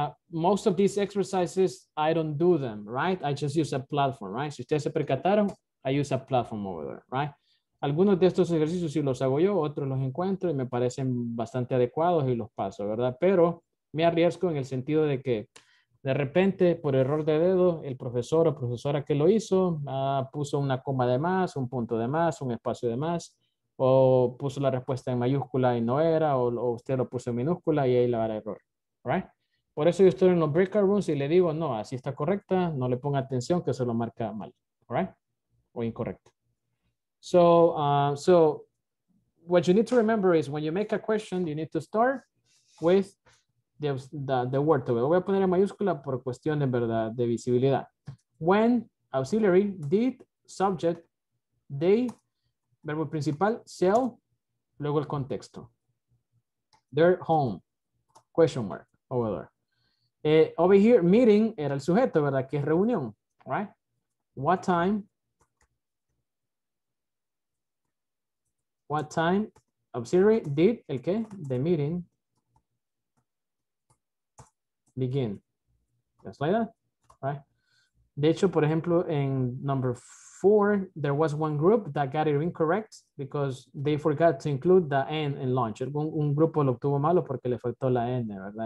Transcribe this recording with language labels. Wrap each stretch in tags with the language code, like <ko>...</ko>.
<en>Most of these exercises, I don't do them, right? I just use a platform, right?</en> <es>Si ustedes se percataron,</es> <en>I use a platform over there, right?</en> <es>Algunos de estos ejercicios sí los hago yo, otros los encuentro y me parecen bastante adecuados y los paso, ¿verdad? Pero me arriesgo en el sentido de que de repente, por error de dedo, el profesor o profesora que lo hizo puso una coma de más, un punto de más, un espacio de más, o puso la respuesta en mayúscula y no era, o usted lo puso en minúscula y ahí le va a error.</es> <en>Right?</en> <es>Por eso yo estoy en los breakout rooms y le digo, no, así está correcta, no le ponga atención que se lo marca mal.</es> <en>Right?</en> <es>O incorrecto.</es> <en>So, what you need to remember is when you make a question, you need to start with the word to it.</en> <es>Voy a poner en mayúscula por cuestión de verdad de visibilidad.</es> <en>When, auxiliary, did, subject, they,</en> <es>verbo principal,</es> <en>sell,</en> <es>luego el contexto.</es> <en>Their home, question mark, over there.</en> <es>Over here, meeting era el sujeto, ¿verdad? Que es reunión,</es> <en>right? What time, auxiliary, did,</en> <es>el qué,</es> <en>the meeting, begin. Just like that, right?</en> <es>De hecho, por ejemplo, en</es> <en>number 4, there was one group that got it incorrect because they forgot to include the N in launch.</en> <es>Un grupo lo obtuvo malo porque le faltó la N, ¿verdad?</es>